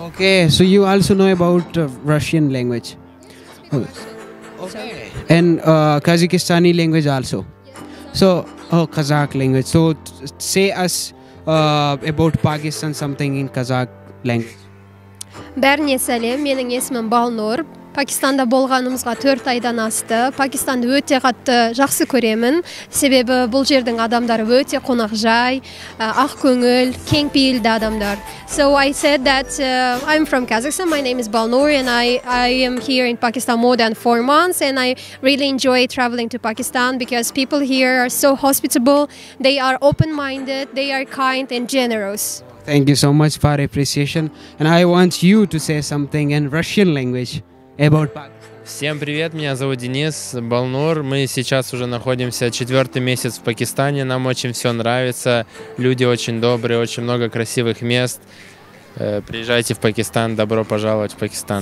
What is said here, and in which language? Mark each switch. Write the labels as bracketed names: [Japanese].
[English] Okay, so you also know about Russian language. Okay. And Kazakhstani language also. So, Kazakh language. So say us about Pakistan something in Kazakh language. [Kazakh] Бәріне сәлем, менің есімім Балнур. Пакистанда болғанымызға 4 айдан асты. Пакистанды өте қатты жақсы көремін. Себебі бұл жердің адамдары өте қонақжай, ақ көңіл, кеңпейілді адамдар. [English] So I said that I'm from Kazakhstan. My name is Balnur and I am here in Pakistan more than 4 months. And I really enjoy traveling to Pakistan because people here are so hospitable. They are open-minded, they are kind and generous. Thank you so much for appreciation. And I want you to say something in Russian language about Pakistan. [Russian] Всем привет, меня зовут Денис Балнур. Мы сейчас уже находимся 4-й месяц в Пакистане. Нам очень все нравится. Люди очень добрые, очень много красивых мест. Приезжайте в Пакистан. Добро пожаловать в Пакистан.